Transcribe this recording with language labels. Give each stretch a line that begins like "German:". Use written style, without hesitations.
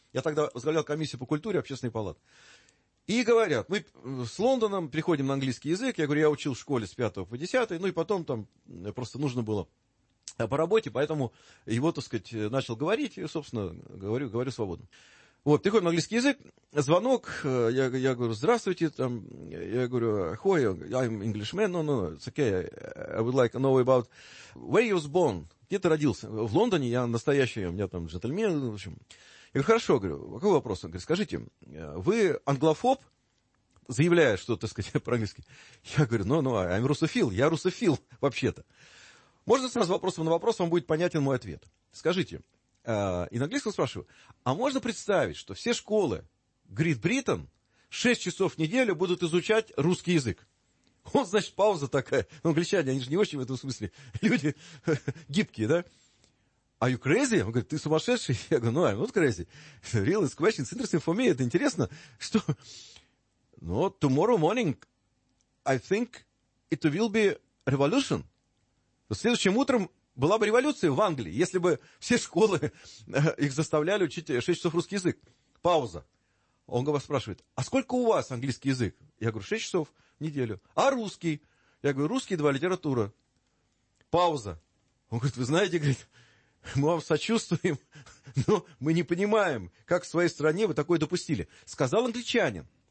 Russian: Я тогда возглавлял комиссию по культуре общественной палаты. И говорят, мы с Лондоном приходим на английский язык. Я говорю, я учил в школе с 5 по 10, ну и потом там просто нужно было... по работе, поэтому его, так сказать, начал говорить, и, собственно, говорю свободно. Вот, приходим на английский язык, звонок, я говорю,
English: здравствуйте, там, я говорю, hi, I'm Englishman, no, it's okay, I would like to know about where you was born,
Russian: где ты родился? В Лондоне, я настоящий, у меня там джентльмен, в общем. Я говорю, хорошо, говорю, какой вопрос? Он говорит, скажите, вы англофоб, заявляя что-то, так сказать, про английский? Я говорю, ну,
English: I'm
Russian: русофил, я русофил, вообще-то. Можно сразу вопросом на вопрос, вам будет понятен мой ответ. Скажите, и на английском спрашиваю, а можно представить, что все школы Great Britain 6 часов в неделю будут изучать русский язык? Вот, значит, пауза такая. Англичане, они же не очень в этом смысле люди гибкие, да?
English: Are you crazy?
Russian: Он говорит, ты сумасшедший? Я говорю,
English: no, I'm not crazy. Real is question, it's interesting for me.
Russian: Это интересно, что...
English: Ну, tomorrow morning, I think it will be revolution.
Russian: Следующим утром была бы революция в Англии, если бы все школы их заставляли учить 6 часов русский язык. Пауза. Он вас спрашивает, а сколько у вас английский язык? Я говорю, 6 часов в неделю. А русский? Я говорю, русский 2, литература. Пауза. Он говорит, вы знаете, говорит, мы вам сочувствуем, но мы не понимаем, как в своей стране вы такое допустили. Сказал англичанин.